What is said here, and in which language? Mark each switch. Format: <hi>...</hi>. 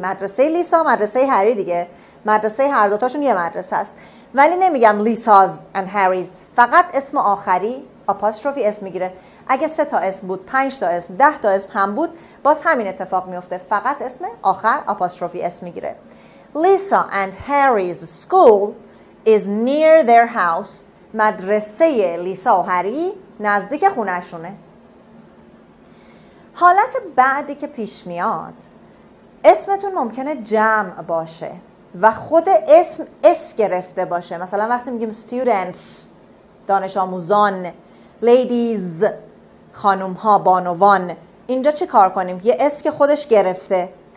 <fa>مدرسه لیسا، مدرسه هری دیگه، مدرسه هر دوتاشون یه مدرسه است، ولی نمیگم لیساز</fa> <en>and Harry's.</en> <fa>فقط اسم آخری آپاستروفی اس میگیره. اگه سه تا اسم بود، پنج تا اسم، ده تا اسم هم بود، باز همین اتفاق میفته، فقط اسم آخر آپاستروفی اسم میگیره.</fa> <en>Lisa and Harry's school is near their house.</en> <fa>مدرسه لیسا و هری نزدیک خونهشونه. حالت بعدی که پیش میاد، اسمتون ممکنه جمع باشه. و خود اسم اس گرفته باشه. مثلا وقتی میگیم students، دانش آموزان، ladies، خانوم ها، بانوان، اینجا چی کار کنیم؟ یه اس که خودش گرفته.</fa>